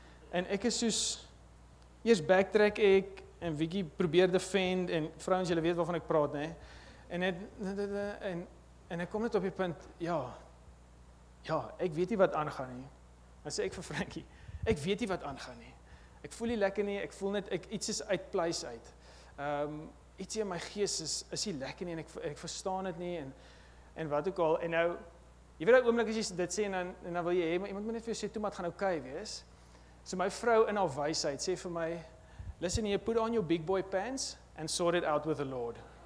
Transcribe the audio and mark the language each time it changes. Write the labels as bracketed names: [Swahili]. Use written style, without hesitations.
[Afrikaans] En ek is soos, eers backtrack ek, en Wiki probeer defend, en vrouens, julle weet waarvan ek praat, nie. En ek kom net op die punt, ja, ek weet nie wat aangaan nie. Dan sê ek vir Frankie, ek weet nie wat aangaan nie. Ek voel nie lekker nie, ek voel net, iets is uit place uit. Iets in my gees is nie lekker nie en ek verstaan dit nie en wat ook al, en nou jy weet daai oomblik as jy dit sê en dan wil jy hê, maar iemand moet net vir jou sê, toe maar gaan okay wees. So my vrou in haar wysheid sê vir my, [English] listen, you put on your big boy pants and sort it out with the Lord.